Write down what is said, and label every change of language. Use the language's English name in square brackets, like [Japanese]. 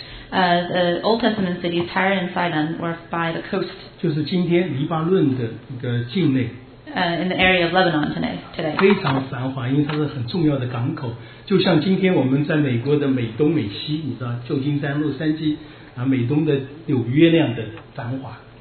[English] The Old Testament city Tyre and Sidon were by the coast. [Chinese] 就是今天黎巴嫩的一个境内。 [English] In the area of Lebanon today. [Chinese] 非常繁华，因为它是很重要的港口。就像今天我们在美国的美东美西，你知道旧金山、洛杉矶美东的纽约那样的繁华。